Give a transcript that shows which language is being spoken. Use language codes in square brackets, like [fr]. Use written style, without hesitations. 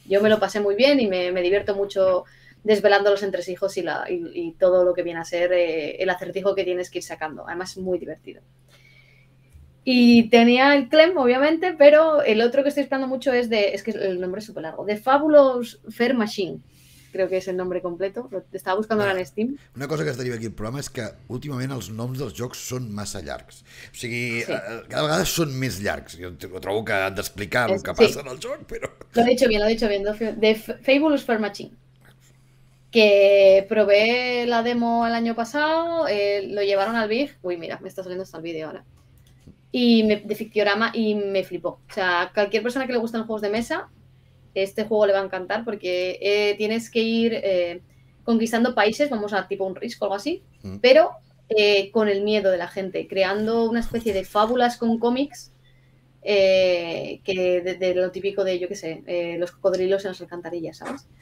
[es] Yo me lo pasé muy bien y me divierto mucho desvelando los entresijos y todo lo que viene a ser el acertijo que tienes que ir sacando. Además, es muy divertido. Y tenía el Clem, obviamente, pero el otro que estoy esperando mucho es de... Es que el nombre es súper largo. The Fabulous Fair Machine, creo que es el nombre completo. Lo estaba buscando ahora en Steam. [ca] Una cosa que es deriva aquí el programa és que últimament els noms dels jocs són massa llargs. O sigui, sí, cada vegada són més llargs. Jo trobo que han d'explicar el que passa en el joc, però... [es] Lo he dicho bien. The Fabulous Fair Machine. Que probé la demo el año pasado, lo llevaron al BIG. Uy, mira, me está saliendo hasta el vídeo ahora. Y me, de Ficciorama, y me flipó. O sea, cualquier persona que le gusten los juegos de mesa, este juego le va a encantar porque tienes que ir conquistando países, vamos a tipo un Risk o algo así, pero con el miedo de la gente, creando una especie de fábulas con cómics que de lo típico de, yo qué sé, los cocodrilos en las alcantarillas, ¿sabes?